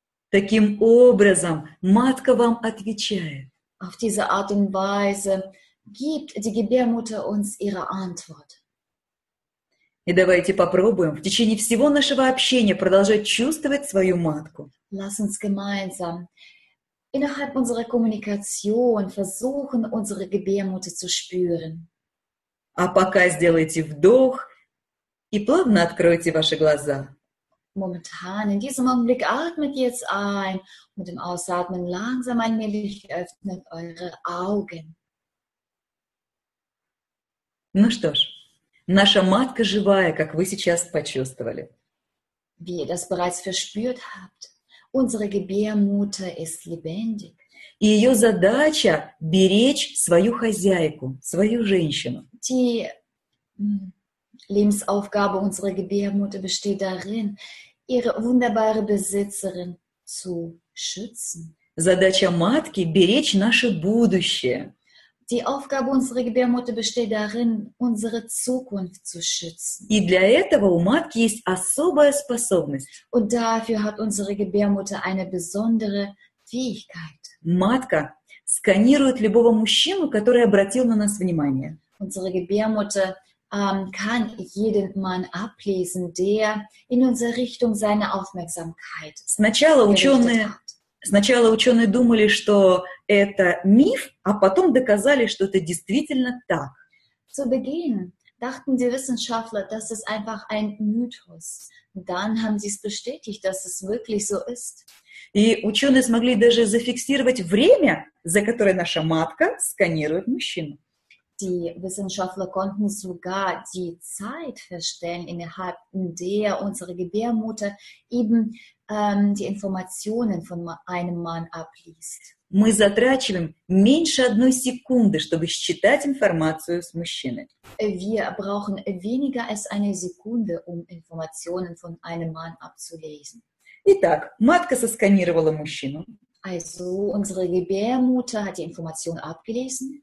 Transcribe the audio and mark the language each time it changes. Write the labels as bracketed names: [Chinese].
[Russian] Таким образом матка вам отвечает. [German] Auf diese Art und Weise gibt die Gebärmutter uns ihre Antwort. [Russian] И давайте попробуем в течение всего нашего общения продолжать чувствовать свою матку. [German] Lass uns gemeinsam innerhalb unserer Kommunikation versuchen, unsere Gebärmutter zu spüren. [Russian] А пока сделайте вдох и плавно откройте ваши глаза. [German] Momentan, in diesem Augenblick, atmet jetzt ein und im Ausatmen langsam allmählich öffnet eure Augen. [Russian] Ну что ж, наша матка живая, как вы сейчас почувствовали. [German] Wie ihr das bereits verspürt habt. Unsere Gebärmutter ist lebendig. [Russian] И ее задача – беречь свою хозяйку, свою женщину. [German] Die Lebensaufgabe unserer Gebärmutter besteht darin, ihre wunderbare Besitzerin zu schützen. [Russian] Задача матки – беречь наше будущее. [German] Die Aufgabe unserer Gebärmutter besteht darin, unsere Zukunft zu schützen. [Russian] И для этого у матки есть особая способность. [German] Und dafür hat unsere Gebärmutter eine besondere Fähigkeit. [Russian] Матка сканирует любого мужчину, который обратил на нас внимание. [German] Unsere Gebärmutter kann jeden Mann ablesen, der in unsere Richtung seine Aufmerksamkeit [Russian] Сначала ученые думали, что это миф, а потом доказали, что это действительно так. [German] Zu Beginn dachten die Wissenschaftler, dass es einfach ein Mythos. Dann haben sie es bestätigt, dass es wirklich so ist. [Russian] И ученые смогли даже зафиксировать время, за которое наша матка сканирует мужчину. [German] Die Wissenschaftler konnten sogar die Zeit feststellen, innerhalb der unsere Gebärmutter eben die Informationen von einem Mann abliest. [Russian] Мы затрачиваем меньше одной секунды, чтобы считать информацию с мужчины. [German] Wir brauchen weniger als eine Sekunde, um Informationen von einem Mann abzulesen. [Russian] Итак, матка сосканировала мужчину. [German] Also, unsere Gebärmutter hat die Information abgelesen.